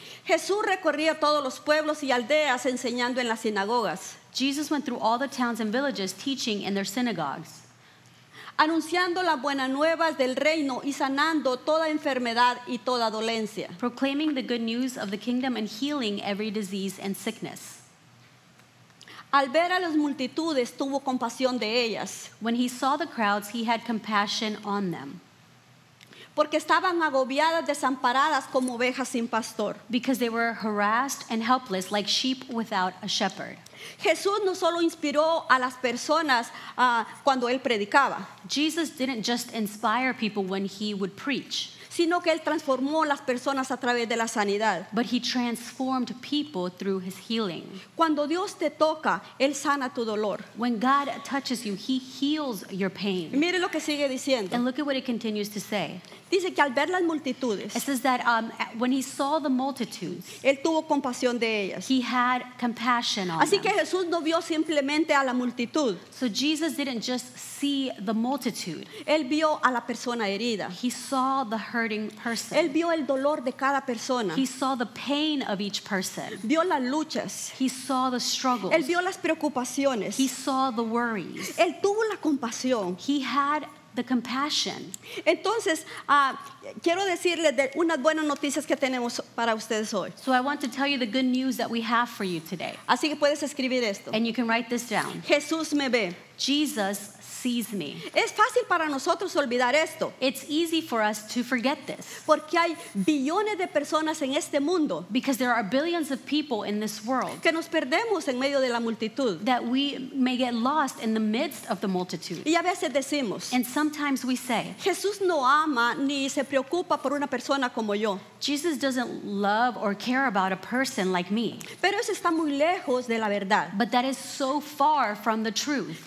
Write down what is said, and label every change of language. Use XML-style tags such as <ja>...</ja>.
<es>Jesús recorría todos los pueblos y aldeas enseñando en las sinagogas.</es> <en>Jesus went through all the towns and villages teaching in their synagogues.</en> <es>Anunciando las buenas nuevas del reino y sanando toda enfermedad y toda dolencia.</es> <en>Proclaiming the good news of the kingdom and healing every disease and sickness.</en> <es>Al ver a las multitudes, tuvo compasión de ellas.</es> <en>When he saw the crowds, he had compassion on them.</en> <es>Porque estaban agobiadas, desamparadas como ovejas sin pastor.</es> <en>Because they were harassed and helpless like sheep without a shepherd.</en> <es>Jesús no solo inspiró a las personas cuando él predicaba.</es> <en>Jesus didn't just inspire people when he would preach.</en> <es>sino que él transformó las personas a través de la sanidad.</es> <en>But he transformed people through his healing.</en> <es>Cuando Dios te toca, él sana tu dolor.</es> <en>When God touches you, he heals your pain.</en> <es>Mire lo que sigue diciendo.</es> <en>And look at what it continues to say.</en> <es>Dice que al ver las multitudes,</es> <en>it says that when he saw the multitudes,</en> <es>él tuvo compasión de ellas.</es> <en>He had compassion on</en> <es>Así</es> <en>them.</en> <es>Así que Jesús no vio simplemente a la multitud.</es> <en>So Jesus didn't just see the multitude.</en> <es>Él vio a la persona herida.</es> <en>He saw the hurting person.</en> <es>Él vio el dolor de cada persona.</es> <en>He saw the pain of each person.</en> <es>Vio las luchas.</es> <en>He saw the struggles.</en> <es>Él vio las preocupaciones.</es> <en>He saw the worries.</en> <es>Él tuvo la compasión.</es> <en>He had the compassion.</en> <es>Entonces, quiero decirles de unas buenas noticias que tenemos para ustedes hoy.</es> <en>So I want to tell you the good news that we have for you today.</en> <es>Así que puedes escribir esto.</es> <en>And you can write this down.</en> <es>Jesús me ve.</es> <en>Jesus sees me.</en> <es>Es fácil para nosotros olvidar esto.</es> <en>It's easy for us to forget this.</en> <es>Porque hay billones de personas en este mundo.</es> <en>Because there are billions of people in this world.</en> <es>Que nos perdemos en medio de la multitud.</es> <en>That we may get lost in the midst of the multitude.</en> <es>Y a veces decimos.</es> <en>And sometimes we say.</en> <es>Jesús no ama ni se preocupa por una persona como yo.</es> <en>Jesus doesn't love or care about a person like me.</en> <es>Pero eso está muy lejos de la verdad.</es> <en>But that is so far from the truth.</en>